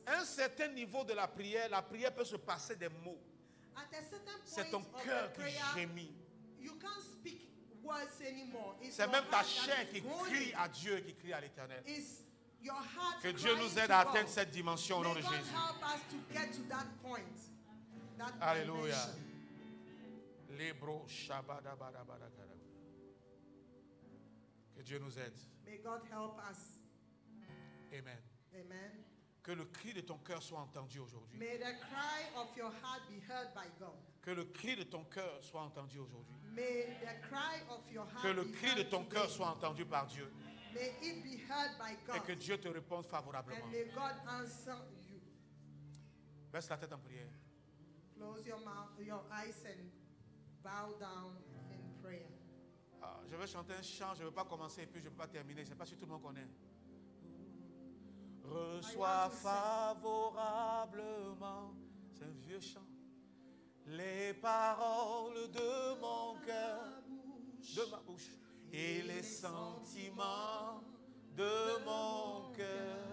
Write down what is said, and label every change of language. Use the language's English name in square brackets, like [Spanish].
[French] Un certain niveau de la prière peut se passer des mots. [English] At a certain point [French] c'est ton cœur qui gémit. [English] You can't speak words anymore. It's [French] c'est même ta chair qui crie à Dieu, qui crie à l'Éternel. [English] It's your heart [French] que Dieu nous aide à atteindre cette dimension au nom de Jésus. [English] May God help us to get to that point. Alléluia. Libro shabada bada bada kara. [French] Que Dieu nous aide. [English] May God help us. Amen. Amen. [French] Que le cri de ton cœur soit entendu aujourd'hui. [English] May the cry of your heart be heard by God. [French] Que le cri de ton cœur soit entendu aujourd'hui. [English] May the cry of your heart. [French] Que le cri de ton cœur soit entendu par Dieu. [English] May it be heard by God. [French] Et que Dieu te réponde favorablement. [English] And may God answer you. [French] Baisse la tête en prière. [English] Close your mouth, your eyes and bow down in prayer. [French] Ah, je vais chanter un chant, je ne veux pas commencer et puis je ne veux pas terminer. Je ne sais pas si tout le monde connaît. Reçois favorablement, c'est un vieux chant, les paroles de mon cœur, de ma bouche, et les sentiments de mon cœur.